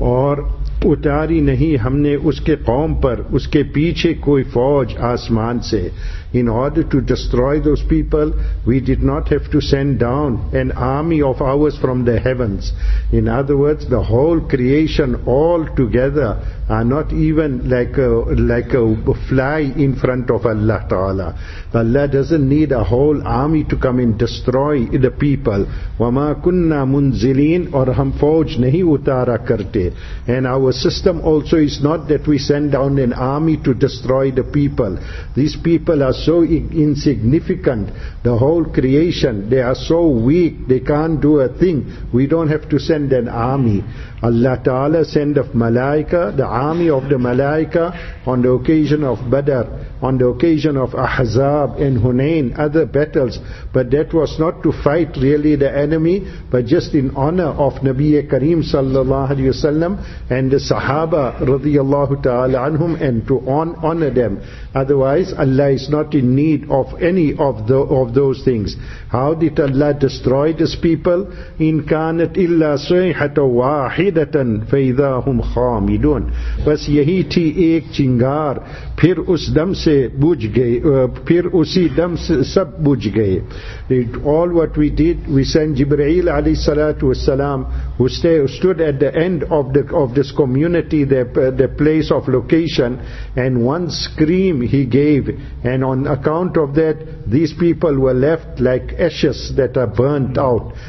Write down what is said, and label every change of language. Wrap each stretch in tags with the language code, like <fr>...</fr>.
<ur>Or, اتاری نہیں ہم نے اس کے قوم پر اس کے پیچھے کوئی فوج آسمان سے.</ur> <en>In order to destroy those people, we did not have to send down an army of ours from the heavens. In other words, the whole creation all together are not even like a fly in front of Allah Ta'ala. Allah doesn't need a whole army to come and destroy the people.</en> <ar>وَمَا كُنَّا مُنزِلِينَ.</ar> <ur>اور ہم فوج نہیں اتارا کرتے.</ur> <en>And our system also is not that we send down an army to destroy the people. These people are so insignificant, the whole creation, they are so weak, they can't do a thing. We don't have to send an army. Allah Ta'ala send of Malaika, the army of the Malaika, on the occasion of Badr, on the occasion of Ahzab and Hunain, other battles. But that was not to fight really the enemy, but just in honor of Nabi Kareem sallallahu alayhi wasallam and the Sahaba radiyallahu ta'ala anhum, and to honor them. Otherwise, Allah is not in need of any of those things. How did Allah destroy this people?</en> <ar>In kanat illa sayhata wahid. فَإِذَا هُمْ خَامِدُونَ.</ar> <ur>بس یہی تھی ایک چنگار, پھر اس دم سے بج گئے, پھر اسی دم سے سب بج گئے.</ur> <en>All what we did, we sent Jibreel alayhi salatu wasalam, who stood at the end of this community, the place of location, and one scream he gave, and on account of that, these people were left like ashes that are burnt out.</en>